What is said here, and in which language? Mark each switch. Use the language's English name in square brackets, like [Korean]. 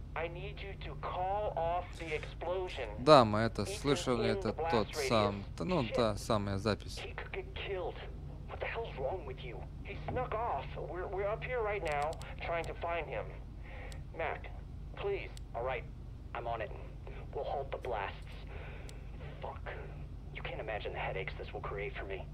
[English] I need you to call off the explosion. [Russian] Да, мы это слышали, это тот сам... Ну, та самая запись. [English] He could get killed. What the hell's wrong with you? He snuck off. We're up here right now, trying to find him. Mac, please. All right, I'm on it. We'll halt the blasts. Fuck. You can't imagine the headaches this will create for me.